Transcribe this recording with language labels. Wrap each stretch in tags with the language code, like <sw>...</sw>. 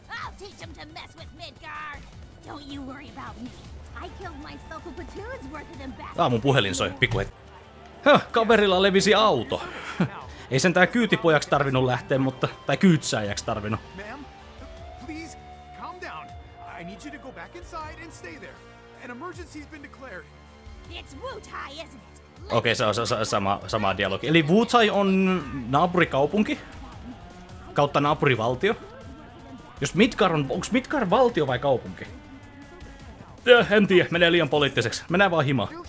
<en>I'll teach him to mess with Midgar. Don't you worry about me. I killed myself a platoon's worth of them back.</en> <fi>Ah, mun puhelin soi, pikkuhet. Häh, kaverilla levisi auto. Ei sentään kyytipojaksi tarvinnut lähteä, mutta... Tai kyytsääjäksi tarvinnut.</fi> <en>Ma'am, please, calm down. I need you to go back inside and stay there. An emergency's been declared. It's Wu-Tai, isn't it?</en> <fi>Okei, se on sama dialogi. Eli Wu-Tai on naapurikaupunki kautta naapurivaltio. Jos Midgar on... Onks Midgar valtio vai kaupunki? En tiedä, menee liian poliittiseksi. Mennään vaan himaa.</fi>